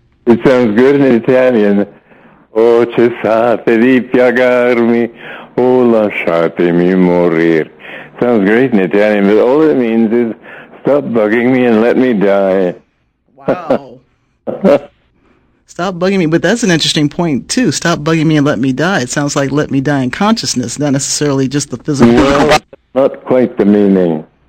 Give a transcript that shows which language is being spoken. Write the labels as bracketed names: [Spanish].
[English] It sounds good in Italian. [Italian] Oh, cessate di piagarmi, oh, lasciatemi morire. [English] Sounds great in Italian, but all it means is stop bugging me and let me die. Wow. Stop bugging me, but that's an interesting point, too. Stop bugging me and let me die. It sounds like let me die in consciousness, not necessarily just the physical world. Well, not quite the meaning.